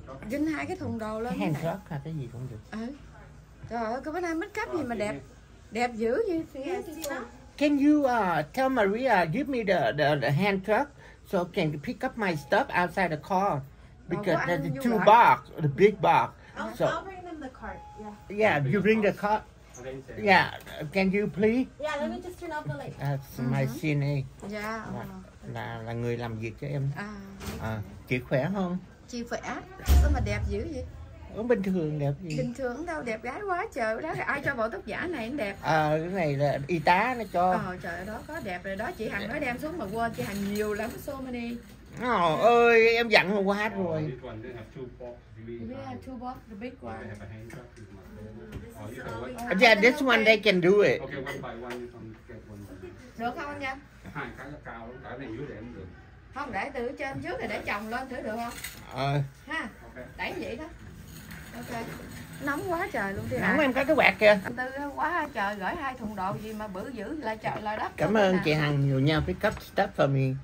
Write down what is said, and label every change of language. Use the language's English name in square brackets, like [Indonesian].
[Vietnamese] Dính hai cái thùng đồ lên. Hàng khớp hay cái gì cũng được. Trời ơi, cái bữa nay [English] make up [Vietnamese] gì mà đẹp. Đẹp dữ vậy. [English] Can you tell Maria give me the hand truck so I can pick up my stuff outside the car because there's the two box, the big box. So, I'll bring them the cart. Yeah. Yeah, you bring the cart. Yeah, can you please? Yeah, let me just turn off the light. That's my CNA. Yeah. [Vietnamese] Là người làm việc cho em. Chị khỏe không? Chị khỏe. Sao mà đẹp dữ vậy? Bình thường đẹp gì? Bình thường đâu, đẹp gái quá trời đó. Ai cho bộ tóc giả này anh đẹp? Cái này là y tá nó cho. Trời đó có đẹp rồi đó. Chị Hằng nói đem xuống mà quên, chị Hằng nhiều lắm. [English] So many. [Vietnamese] Ơi, em dặn hôm qua hết rồi. [English] We have two box, the big one. Yeah, this one they can do it. Okay, one by one, you can get one. [Vietnamese] Được không anh nhé? Cái này dưới để em được. Không, để từ trên trước rồi để chồng lên thử được không? Ha, đẩy vậy đó. Ok. Nóng quá trời luôn đi ạ. Nóng em có cái quạt kìa. Anh Tư quá trời, gửi hai thùng đồ gì mà bự dữ là trời là đất. Cảm ơn chị Hằng nhiều nha, [English] pick up stuff for me.